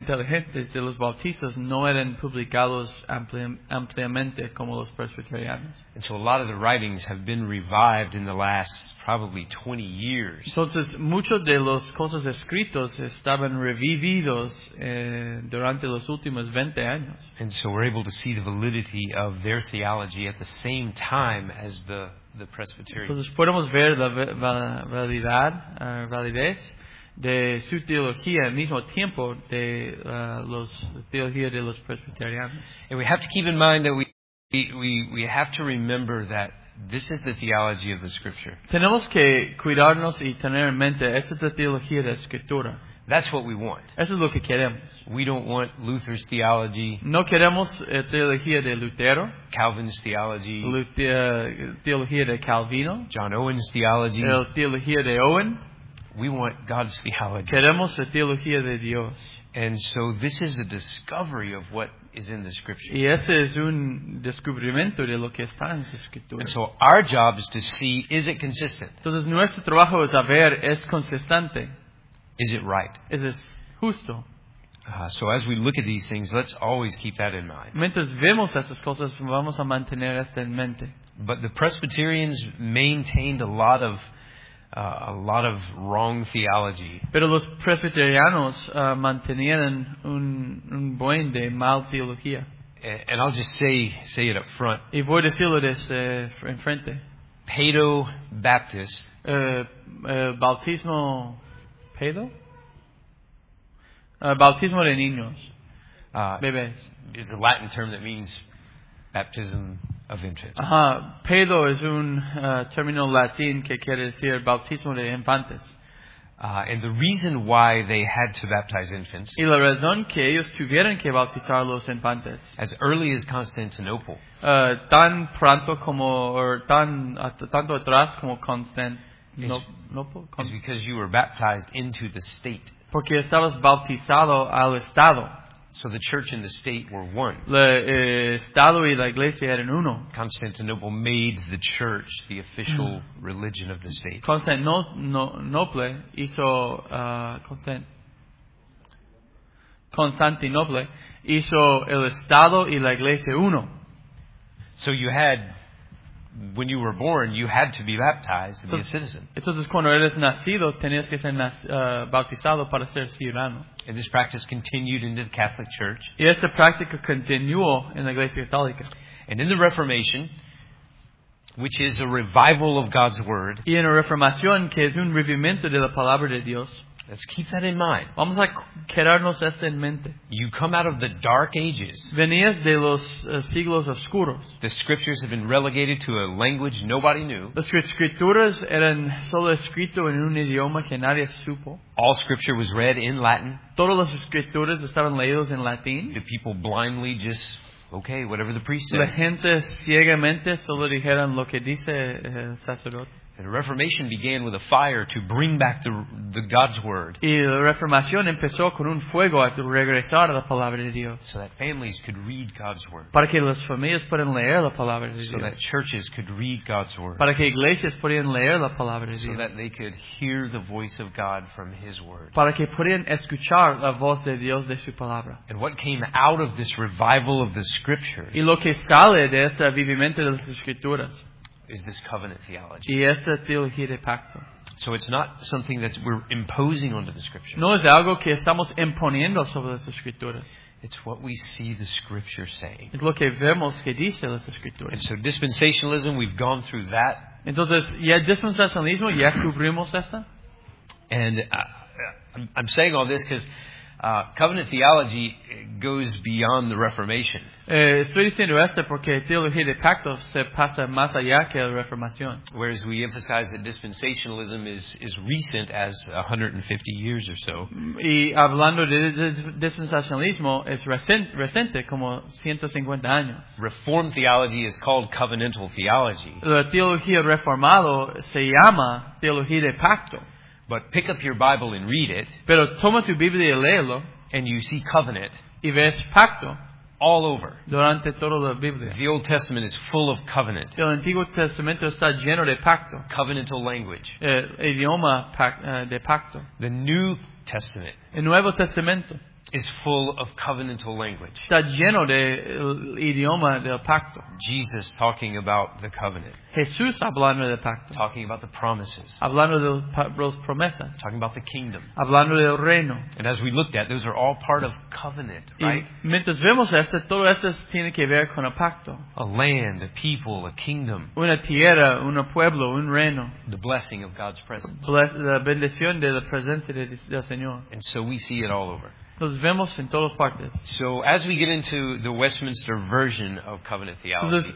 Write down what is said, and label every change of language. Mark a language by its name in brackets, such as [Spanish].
[Spanish] inteligentes de los bautistas no eran publicados ampliamente como los presbiterianos. [English] And so a lot of the writings have been revived in the last probably 20 years. [Spanish] Entonces, muchos de los cosas escritos estaban revividos durante los últimos 20 años. [English] And so we're able to see the validity of their theology at the same time as the Presbyterian. [Spanish] Entonces, podemos ver la validez de su teología al mismo tiempo de los teología de los presbiterianos. [English] And we have to keep in mind that we have to remember that this is the theology of the Scripture. [Spanish] Tenemos que cuidarnos y tener en mente esta es la teología de la Escritura. [English] That's what we want. [Spanish] Eso es lo que queremos. [English] We don't want Luther's theology. [Spanish] No queremos teología de Lutero. [English] Calvin's theology. [Spanish] Teología de Calvino. [English] John Owen's theology. [Spanish] La teología de Owen. [English] We want God's theology. [Spanish] Queremos la teología de Dios. [English] And so this is a discovery of what is in the Scripture. [Spanish] Y ese es un descubrimiento de lo que está en la Escritura. [English] And so our job is to see, is it consistent? [Spanish] Entonces nuestro trabajo es a ver, ¿es consistente? [English] Is it right? [Spanish] ¿Es justo? [English] So as we look at these things, let's always keep that in mind. [Spanish] Mientras vemos esas cosas, vamos a mantener esto en mente. [English] But the Presbyterians maintained a lot of wrong theology. [Spanish] Pero los presbiterianos mantenían un buen de mal teología. [English] And I'll just say it up front. [Spanish] Y voy a decirlo desde en frente. [English] Pedo Baptist. [Spanish] Bautismo pedo. Bautismo de niños. Bebés. [English] Is a Latin term that means baptism. Of infants. [Spanish] Pedo es un término latín que quiere decir bautismo de infantes. [English] And the reason why they had to baptize infants. [Spanish] Y la razón que ellos tuvieron que bautizar los infantes. [English] As early as Constantinople. [Spanish] Tan pronto como or tan tanto atrás como Constantinople. [English] Is because you were baptized into the state. [Spanish] Porque estabas bautizado al estado. [English] So the church and the state were one. [Spanish] La estado y la iglesia eran uno. [English] Constantinople made the church the official religion of the state. [Spanish] Constantinople hizo Constantinople hizo el estado y la iglesia uno. [English] So you had when you were born, you had to be baptized to be a citizen. [Spanish] Entonces cuando eres nacido tenías que ser bautizado para ser ciudadano. [English] And this practice continued into the Catholic Church. [Spanish] Y esta práctica continuó en la Iglesia Católica. [English] And in the Reformation, which is a revival of God's Word. [Spanish] Y en la Reformación, que es un revivimiento de la Palabra de Dios. [English] Let's keep that in mind. [Spanish] Vamos a quedarnos esto en mente. [English] You come out of the dark ages. [Spanish] Venías de los siglos oscuros. [English] The scriptures have been relegated to a language nobody knew. [Spanish] Las escrituras eran solo escrito en un idioma que nadie supo. [English] All scripture was read in Latin. [Spanish] Todas las escrituras estaban leídos en latín. [English] The people blindly just, okay, whatever the priest says. [Spanish] La gente ciegamente solo dijeron lo que dice el sacerdote. [English] And the Reformation began with a fire to bring back the God's Word. [Spanish] Y la Reformación empezó con un fuego a regresar a la Palabra de Dios. [English] So that families could read God's Word. [Spanish] Para que las familias puedan leer la Palabra de Dios. [English] So that churches could read God's Word. [Spanish] Para que iglesias podían leer la Palabra de Dios. [English] So that they could hear the voice of God from His Word. [Spanish] Para que podían escuchar la voz de Dios de su Palabra. [English] And what came out of this revival of the Scriptures. [Spanish] Y lo que sale de este avivamiento de las Escrituras. [English] Is this covenant theology. [Spanish] Y esta teología de pacto. [English] So it's not something that we're imposing onto the Scripture. [Spanish] No es algo que estamos imponiendo sobre las Escrituras. [English] It's what we see the Scripture saying. [Spanish] Es lo que vemos que dice las Escrituras. [English] And so dispensationalism, we've gone through that. [Spanish] Entonces, ya dispensacionalismo, ya cubrimos esta. [English] And I'm saying all this because covenant theology goes beyond the Reformation. [Spanish] Estoy diciendo esto porque teología de pacto se pasa más allá que la Reformación. [English] Whereas we emphasize that dispensationalism is recent as 150 years or so. [Spanish] Y hablando de dispensacionalismo es reciente como 150 años. [English] Reformed theology is called covenantal theology. [Spanish] La teología reformada se llama teología de pacto. [English] But pick up your Bible and read it. [Spanish] Pero toma tu Biblia y léelo. [English] And you see covenant. [Spanish] Y ves pacto. [English] All over. [Spanish] Durante toda la Biblia. [English] The Old Testament is full of covenant. [Spanish] El Antiguo Testamento está lleno de pacto. [English] Covenantal language. [Spanish] El idioma de pacto. [English] The New Testament. [Spanish] El Nuevo Testamento. [English] is full of covenantal language. [Spanish] Está lleno de idioma del pacto. [English] Jesus talking about the covenant. [Spanish] Jesús hablando del pacto. [English] Talking about the promises. [Spanish] Hablando de las promesas. [English] Talking about the kingdom. [Spanish] Hablando del reino. [English] And as we looked at, those are all part of covenant, right? [Spanish] Y mientras vemos esto, todo esto tiene que ver con el pacto. [English] A land, a people, a kingdom. [Spanish] Una tierra, un pueblo, un reino. [English] The blessing of God's presence. [Spanish] La bendición de la presencia del Señor. [English] And so we see it all over. [Spanish] Nos vemos en todas partes. [English] So as we get into the Westminster version of covenant theology,